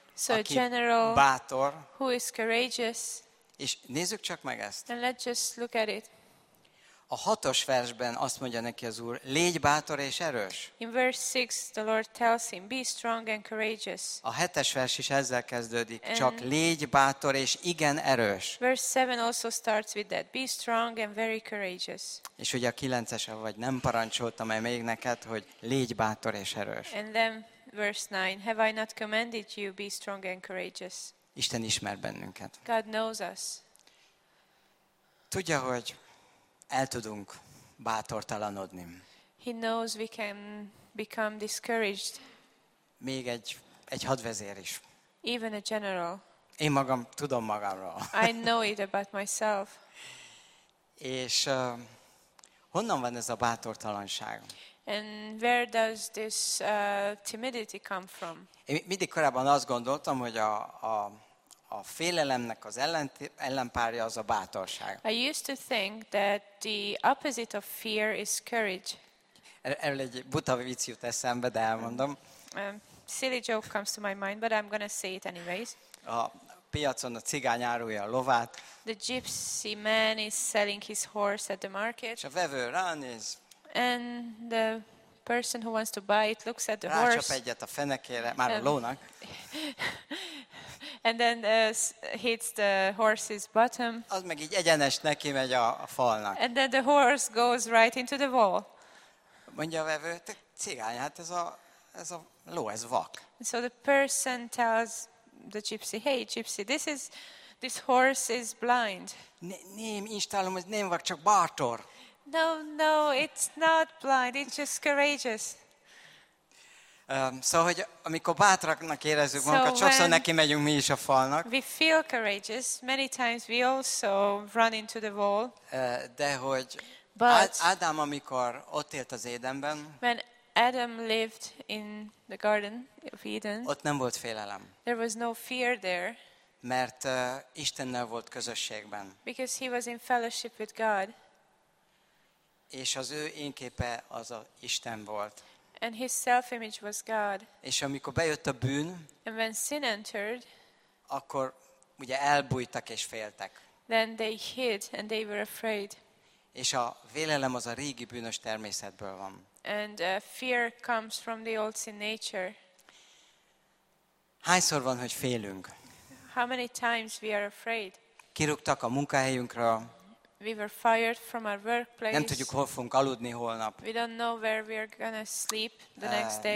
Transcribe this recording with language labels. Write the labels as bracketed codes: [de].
[en] so [hu] aki [en] general, [hu] bátor. [en] Who is courageous. [hu] És nézzük csak meg ezt. [en] And let's just look at it. [hu] A hatos versben azt mondja neki az Úr, légy bátor és erős. [en] In verse 6 the Lord tells him, be strong and courageous. [hu] A hetes vers is ezzel kezdődik, and csak légy bátor és igen erős. [en] Verse 7 also starts with that, be strong and very courageous. [hu] És ugye a kilencese, vagy nem parancsoltam-e még neked, hogy légy bátor és erős. [en] And then verse 9, have I not commanded you, be strong and courageous? [hu] Isten ismer bennünket. [en] God knows us. [hu] Tudja, hogy el tudunk bátortalanodni. [en] He knows we can become discouraged. [hu] Még egy hadvezér is. [en] Even a general. [hu] Én magam tudom magamról. [en] I know it about myself. [hu] És honnan van ez a bátortalanság? [en] And where does this timidity come from? [hu] Én mindig korábban azt gondoltam, hogy a félelemnek az ellenpárja az a bátorság. [en] I used to think that the opposite of fear is courage. [hu] Erről egy buta vicc jut eszembe, de elmondom. [en] Silly joke comes to my mind, but I'm gonna say it anyways. [hu] A piacon a cigány árulja a lovát. [en] The gypsy man is selling his horse at the market. [hu] És a vevő ránéz. [en] And the person who wants to buy it looks at the [hu] rácsap [en] horse. [hu] Rácsap egyet a fenekére, már a lónak. [en] And then hits the horse's bottom. [hu] Az meg így egyenes neki megy a falnak. [en] And then the horse goes right into the wall. [hu] Mondja a vevő, te cigány, hát ez a ló, ez vak. [en] So the person tells the gypsy, hey gypsy, this horse is blind. [hu] Nem instálom, hogy nem vak, csak bátor. [en] No, it's not blind, it's just courageous. [hu] Szóval, hogy amikor bátraknak érezzük magunkat, sokszor neki megyünk mi is a falnak. [en] We feel courageous, many times we also run into the wall. [hu] De hogy Ádám, amikor ott élt az Édenben, [en] when Adam lived in the Garden of Eden, [hu] ott nem volt félelem. [en] There was no fear there. [hu] Mert Istennel volt közösségben. [en] Because he was in fellowship with God. [hu] És az ő énképe az a Isten volt. [en] And his self-image was God. [hu] És amikor bejött a bűn, [en] and when sin entered, [hu] akkor ugye elbújtak és féltek. [en] Then they hid and they were afraid. [hu] És a vélelem az a régi bűnös természetből van. [en] And fear comes from the old sin nature. [hu] Hányszor van, hogy félünk? [en] How many times we are afraid? [hu] Kirúgtak a munkahelyünkre. [en] We were fired from our workplace. [hu] Nem tudjuk, hol fogunk aludni holnap. [en] We don't know where we are gonna sleep the next day.